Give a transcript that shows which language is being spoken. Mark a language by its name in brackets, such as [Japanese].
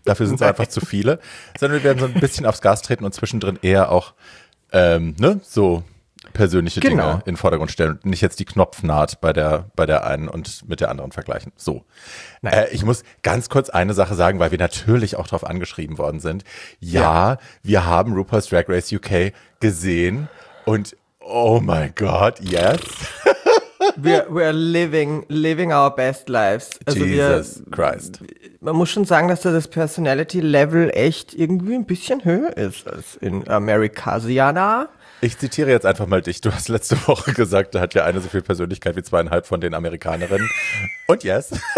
[German] Dafür sind es einfach zu viele. Sondern wir werden so ein bisschen aufs Gas treten und zwischendrin eher auch so persönliche Dinge in den Vordergrund stellen und nicht jetzt die Knopfnaht bei der einen und mit der anderen vergleichen. So. Ich muss ganz kurz eine Sache sagen, weil wir natürlich auch drauf angeschrieben worden sind. Ja, wir haben RuPaul's Drag Race UK gesehen und [English] oh my God, yes. We're living our best lives. Also Jesus Christ. [German] Man muss schon sagen, dass da das Personality-Level echt irgendwie ein bisschen höher ist als in Amerikasiana. Ich zitiere jetzt einfach mal dich. Du hast letzte Woche gesagt, da hat ja eine so viel Persönlichkeit wie 2,5 von den Amerikanerinnen. Und yes.